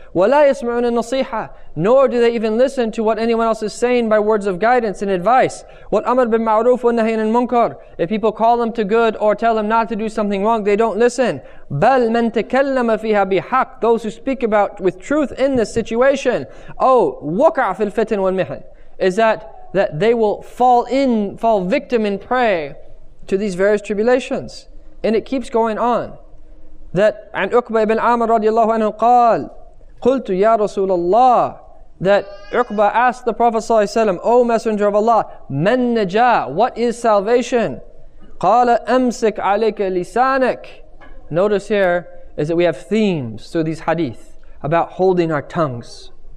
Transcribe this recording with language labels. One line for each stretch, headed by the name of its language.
Arabic: وَلَا يَسْمَعُونَ النَّصِيحَ.
English: Nor do they even listen to what anyone else is saying by words of guidance and advice.
Arabic: وَالْأَمَرْ بِالْمَعْرُوفُ وَالنَّهِيَ عَنِ الْمُنْكَرِ.
English: If people call them to good or tell them not to do something wrong, they don't listen.
Arabic: بَلْ مَنْ تَكَلَّمَ فِيهَا بِحَقِّ.
English: Those who speak about with truth in this situation.
Arabic: Oh, وَقَعَ فِي الْفِتْنِ وَالْمِحَنِ.
English: Is that they will fall victim and prey to these various tribulations. And it keeps going on.
Arabic: That, عن عقبة بن عامر رضي الله عنه قال, قلت يا رسول الله, that عقبة
English: asked the Prophet
Arabic: صلى الله عليه وسلم,
English: O Messenger of Allah,
Arabic: من نجا,
English: what is salvation?
Arabic: قال أمسك عليك لسانك.
English: Notice here is that we have themes through these hadith about holding our tongues.